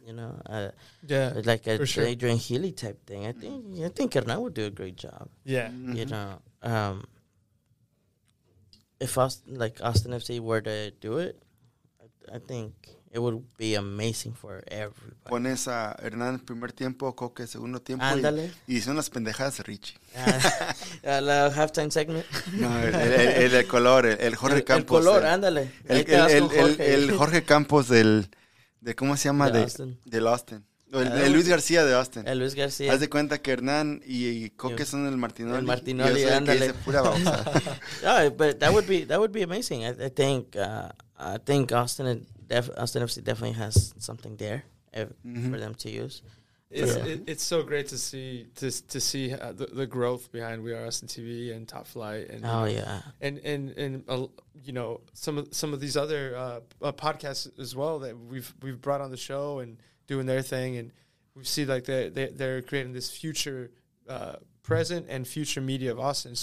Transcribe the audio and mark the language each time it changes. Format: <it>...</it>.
<en>You know? Yeah. Like a for sure. Adrian Healy type thing. I think Hernan would do a great job. Yeah. Mm-hmm. You know? If Austin, like Austin FC were to do it, I think it would be amazing for everybody.</en> <es>Pones a Hernan primer tiempo, Coque segundo tiempo. Ándale. Y son las pendejadas de Richie. La halftime segment. No, el color, el Jorge el Campos. Color, ándale. El Jorge Campos de ¿cómo se llama? De Austin. El Luis García de Austin. El Luis García. Haz de cuenta que Hernán y Coque son el Martinoli. El Martinoli, y ándale. Y pura</es> <en>bauta. No, but that would be amazing. I think Austin FC definitely has something there for them to use. It's so great to see the growth behind We Are Austin TV and Top Flight and you know, some of these other podcasts as well that we've brought on the show and doing their thing, and we see like they're creating this future present and future media of Austin.</en>